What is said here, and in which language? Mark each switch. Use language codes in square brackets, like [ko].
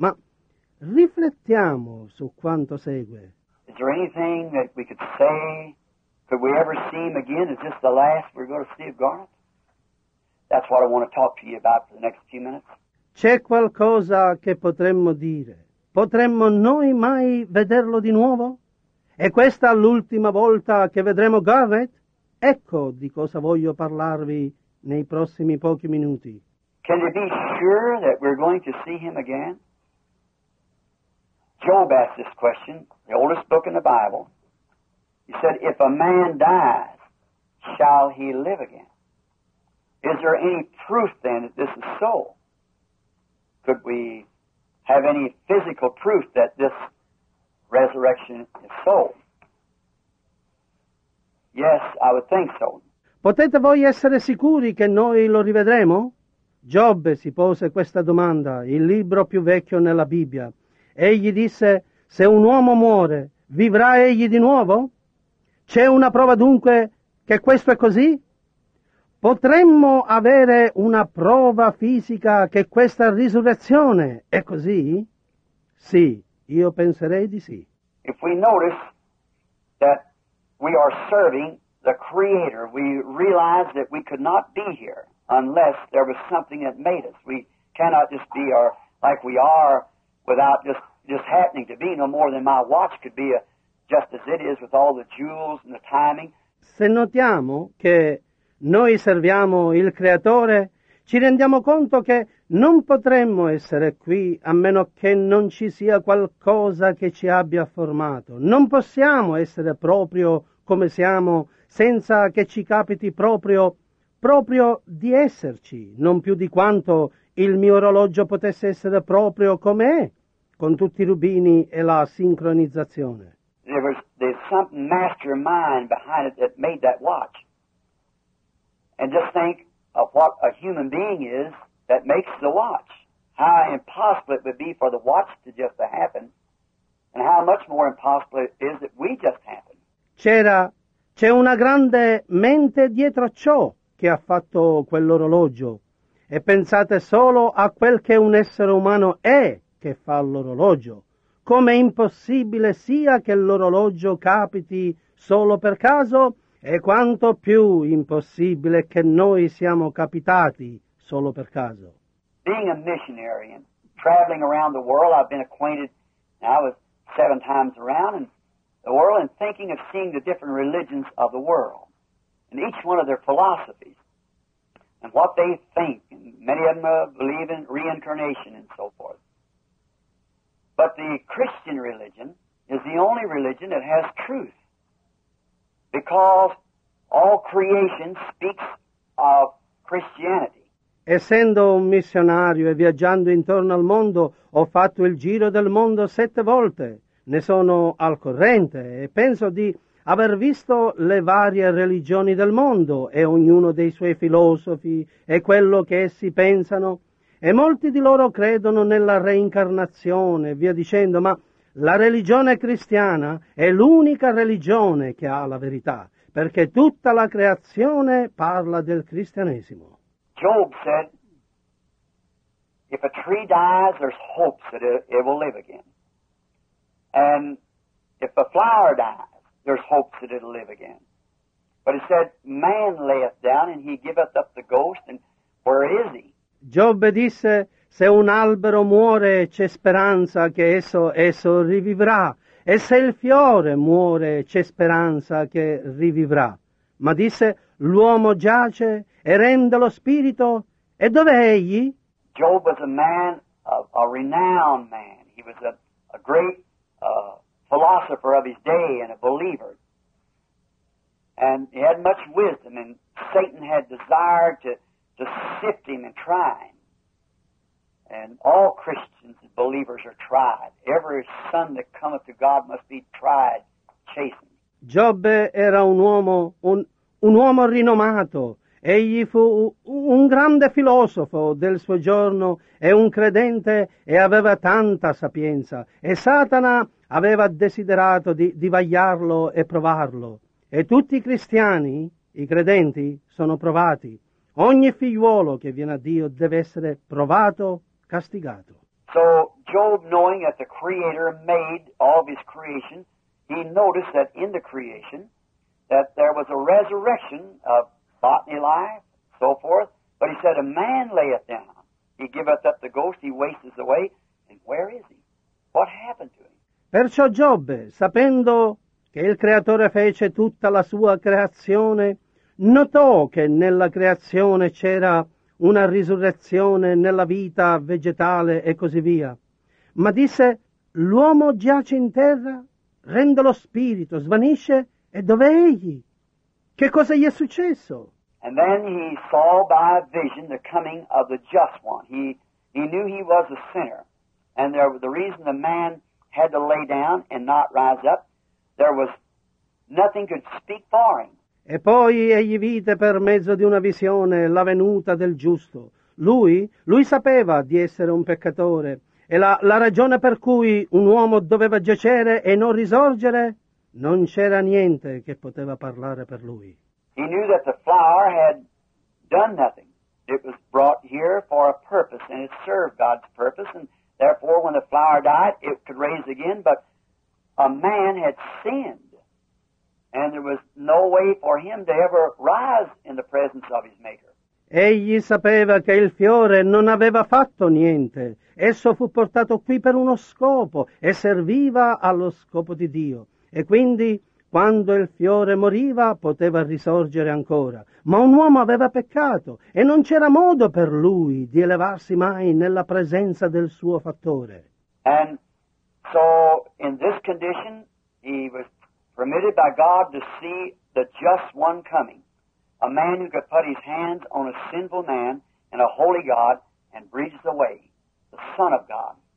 [it] Ma riflettiamo su quanto segue. [en] Is there anything that we could say? Could we ever see him again? Is this the last we're going to see of Garnet? That's what I want to talk to you about for the next few minutes. [it] C'è qualcosa che potremmo dire? Potremmo noi mai vederlo di nuovo? È questa l'ultima volta che vedremo Garnet? Ecco di cosa voglio parlarvi nei prossimi pochi minuti. [en] Can you be sure that we're going to see him again? Job asked this question, the oldest book in the Bible. He said, if a man dies, shall he live again? Is there any proof then that this is so? Could we have any physical proof that this resurrection is so? Yes, I would think so. [it] Potete voi essere sicuri che noi lo rivedremo? Giobbe si pose questa domanda, il libro più vecchio nella Bibbia. Egli disse, se un uomo muore, vivrà egli di nuovo? C'è una prova dunque che questo è così? Potremmo avere una prova fisica che questa risurrezione è così? Sì, io penserei di sì. [en] If we notice that we are serving the Creator, we realize that we could not be here unless there was something that made us. We cannot just be our, like we are without just happening to be, no more than my watch could be just as it is with all the jewels and the timing. [it] Se notiamo che noi serviamo il Creatore, ci rendiamo conto che non potremmo essere qui a meno che non ci sia qualcosa che ci abbia formato. Non possiamo essere proprio come siamo senza che ci capiti proprio di esserci, non più di quanto il mio orologio potesse essere proprio come è, con tutti i rubini e la sincronizzazione. [en] There's some mastermind behind it that made that watch. And just think of what a human being is that makes the watch. How impossible it would be for the watch to just happen, and how much more impossible it is that we just happen. [it] C'è una grande mente dietro a ciò che ha fatto quell'orologio. E pensate solo a quel che un essere umano è che fa l'orologio. Come impossibile sia che l'orologio capiti solo per caso, e quanto più impossibile che noi siamo capitati solo per caso. [en] Being a missionary and traveling around the world, I've been acquainted, I was 7 times around and the world, and thinking of seeing the different religions of the world and each one of their philosophies and what they think. And many of them believe in reincarnation and so forth. But the Christian religion is the only religion that has truth. because all creation speaks of Christianity. [it] Essendo un missionario e viaggiando intorno al mondo, ho fatto il giro del mondo 7 volte. Ne sono al corrente e penso di aver visto le varie religioni del mondo e ognuno dei suoi filosofi e quello che essi pensano. E molti di loro credono nella reincarnazione, via dicendo, ma la religione cristiana è l'unica religione che ha la verità, perché tutta la creazione parla del cristianesimo. [en] Job said, if a tree dies, there's hopes that it will live again. And if a flower dies, there's hopes that it'll live again. But it said, man layeth down and he giveth up the ghost, and where is he? [it] Giobbe disse, se un albero muore c'è speranza che esso rivivrà, e se il fiore muore c'è speranza che rivivrà. Ma disse, l'uomo giace e rende lo spirito, e dov'è egli? [en] Job was a man, a renowned man. He was a great philosopher of his day and a believer. And he had much wisdom, and Satan had desired to sift him and try him. And all Christians and believers are tried. Every son that cometh to God must be tried, chastened. [it] Giobbe era un uomo rinomato. Egli fu un grande filosofo del suo giorno e un credente e aveva tanta sapienza. E Satana aveva desiderato di vagliarlo e provarlo. E tutti i cristiani, i credenti, sono provati. Ogni figliuolo che viene a Dio deve essere provato, castigato. [en] So Job, knowing that the Creator made all of his creation, he noticed that in the creation that there was a resurrection of bodily life, so forth. But he said, a man layeth down. He giveth up the ghost, he wastes away. And where is he? What happened to him? [it] Perciò Giobbe, sapendo che il Creatore fece tutta la sua creazione, notò che nella creazione c'era una risurrezione nella vita vegetale e così via. Ma disse, l'uomo giace in terra, rende lo spirito, svanisce, e dov'è egli? Che cosa gli è successo? [en] And then he saw by vision the coming of the just one. He knew he was a sinner. And there, the reason the man had to lay down and not rise up, there was nothing could speak for him. [it] E poi egli vide per mezzo di una visione la venuta del giusto. Lui sapeva di essere un peccatore, e la ragione per cui un uomo doveva giacere e non risorgere, non c'era niente che poteva parlare per lui. [en] He knew that the flower had done nothing. It was brought here for a purpose, and it served God's purpose, and therefore when the flower died, it could raise again, but a man had sinned. And there was no way for him to ever rise in the presence of his maker. [it] Egli sapeva che il fiore non aveva fatto niente. Esso fu portato qui per uno scopo e serviva allo scopo di Dio. E quindi, quando il fiore moriva, poteva risorgere ancora. Ma un uomo aveva peccato e non c'era modo per lui di elevarsi mai nella presenza del suo fattore. [en] And so, in this condition, he was permitted by God to see the just one coming, a man who could put his hands on a sinful man and a holy God and breathes away, the Son of God.